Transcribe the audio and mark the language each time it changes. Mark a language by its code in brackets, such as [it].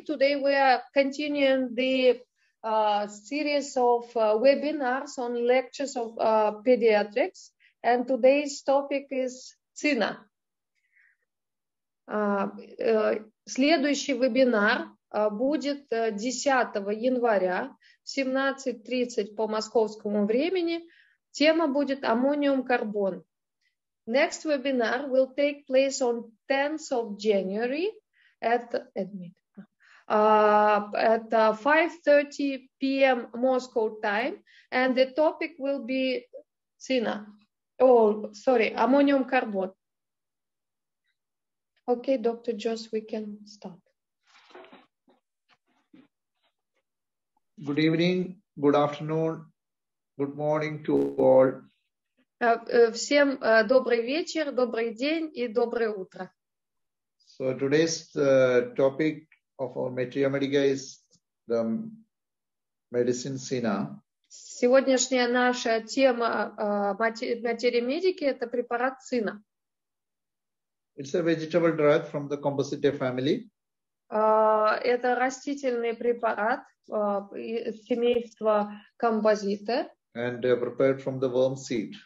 [en] Today we are continuing the series of webinars on lectures of pediatrics, and today's topic is цина. [ru] Следующий вебинар будет 10 января в 17:30 по московскому времени. Тема будет аммониум карбон. [en] Next webinar will take place on 10th of January at 5:30 p.m. Moscow time, and the topic will be цина. Oh, sorry, ammonium carbon. Okay, Dr. Joss, we can start. Good evening, good afternoon, good morning to all. [ru] Всем добрый вечер, добрый день и доброе утро. [en] So today's topic of our material medica is the medicine cina. [ru] Сегодняшняя наша тема материи медики – это препарат цина. [en] It's a vegetable drug from the composite family. [ru] Это растительный препарат семейства композите. [en] And prepared from the worm seed.